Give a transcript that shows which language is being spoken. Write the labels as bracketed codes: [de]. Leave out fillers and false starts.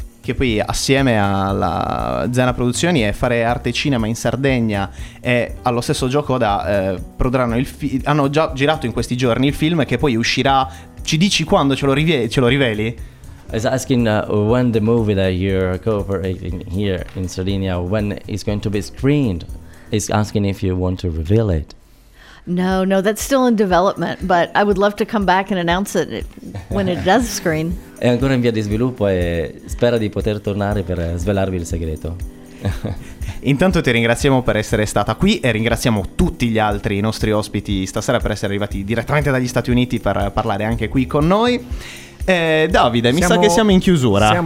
[it] Che poi assieme alla Zena Produzioni e Fare Arte Cinema in Sardegna e allo stesso Gioco da produrranno hanno già girato in questi giorni il film che poi uscirà. Ci dici quando ce lo riveli? [en] Is asking when the movie that you're cooperating here in Sardinia, when it's going to be screened. Is asking if you want to reveal it. No, that's still in development, but I would love to come back and announce it when it does screen. [it] È ancora in via di sviluppo e spera di poter tornare per svelarvi il segreto. Intanto ti ringraziamo per essere stata qui e ringraziamo tutti gli altri, i nostri ospiti stasera, per essere arrivati direttamente dagli Stati Uniti per parlare anche qui con noi. Davide, mi sa che siamo in chiusura.